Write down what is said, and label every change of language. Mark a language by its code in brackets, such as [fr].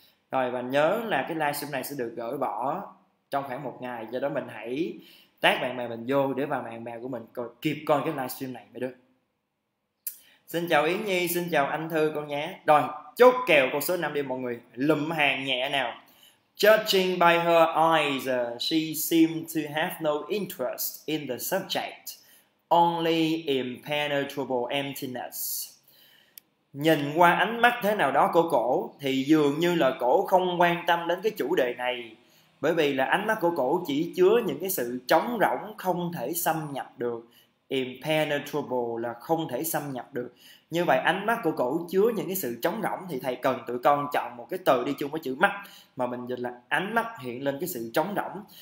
[vi] Rồi và nhớ là cái livestream này sẽ được gỡ bỏ trong khoảng một ngày. Do đó mình hãy tag bạn bè mình vô để vào bạn bè của mình kịp coi cái livestream này mấy đứa. Xin chào Yến Nhi, xin chào anh Thư con nhé. Rồi, chốt kèo con số 5 đi mọi người. Lụm hàng nhẹ nào. [en] Judging by her eyes, she seemed to have no interest in the subject. Only impenetrable emptiness. [vi] Nhìn qua ánh mắt thế nào đó của cổ thì dường như là cổ không quan tâm đến cái chủ đề này. Bởi vì là ánh mắt của cổ chỉ chứa những cái sự trống rỗng không thể xâm nhập được. Impenetrable là không thể xâm nhập được. Như vậy ánh mắt của cổ chứa những cái sự trống rỗng thì thầy cần tụi con chọn một cái từ đi chung với chữ mắt mà mình dịch là ánh mắt hiện lên cái sự trống rỗng.